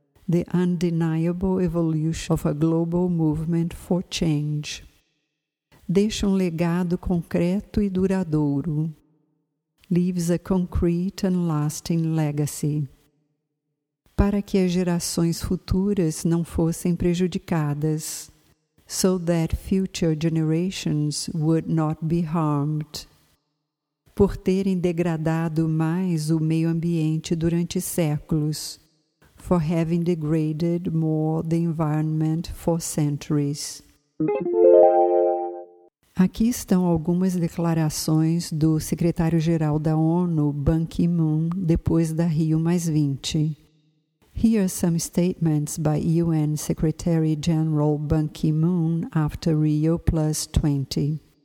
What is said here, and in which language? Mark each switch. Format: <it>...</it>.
<en>The undeniable evolution of a global movement for change.</en> <pt>Deixa um legado concreto e duradouro.</pt> <en>Leaves a concrete and lasting legacy.</en> <pt>Para que as gerações futuras não fossem prejudicadas.</pt> <en>So that future generations would not be harmed.</en> <pt>Por terem degradado mais o meio ambiente durante séculos.</pt> <en>For having degraded more the environment for centuries.</en> <pt>Aqui estão algumas declarações do secretário-geral da ONU, Ban Ki-moon, depois da Rio+20.</pt> <en>Here are some statements by UN Secretary-General Ban Ki-moon after Rio+20.</en>